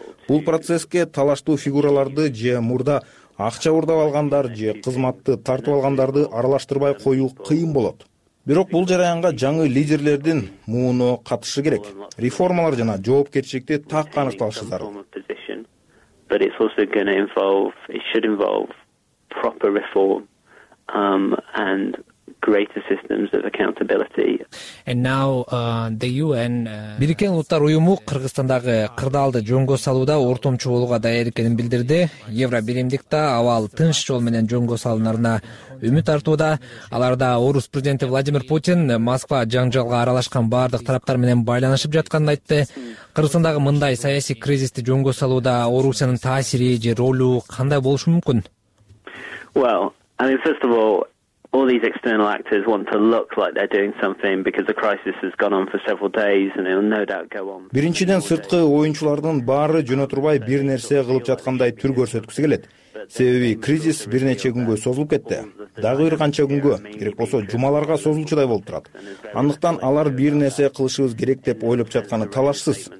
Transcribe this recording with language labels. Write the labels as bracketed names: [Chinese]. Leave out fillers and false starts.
[Kyrgyz] Бул процесске талаштуу фигураларды же мурда акча урдап алгандар же кызматты тартып алгандарды аралаштырбай коюу кыйын болот. Бирок бул жараянга жаңы лидерлердин мууну катышы керек. Реформалар жана жоопкерчиликти так аныкталышы зарыл. [English] But it's also going to involve, it should involve proper reform and greater systems of accountability. And now the UN... [Kyrgyz] Бириккен Улуттар Уюму Кыргызстандагы кырдаалды жөнгө салууда ортомчу болууга даяр экенин билдирди. Евробиримдик да абал тынч жол менен жөнгө салынарына үмүт артууда. Аларда Орус президенти Владимир Путин Москва жаңжалга аралашкан баардык тараптар менен байланышып жатканын айтты. Кыргызстандагы мындай саясий кризисти жөнгө салууда Орусиянын таасири же ролу кандай болушу мүмкүн? [English] Well, I mean, first of all, all these external actors want to look like they're doing something because the crisis has gone on for several days and it'll no doubt go on. [Kyrgyz] Биринчиден сырткы оюнчулардын баары жөнө турбай бир нерсе кылып жаткандай түр көрсөткүсү келет. Себеби кризис бир нече күнгө созулуп кетти. Дагы бир канча күнгө, керек болсо жумаларга созулчудай болуп турат. Андыктан алар бир нерсе кылышыбыз керек деп ойлоп жатканы талашсыз.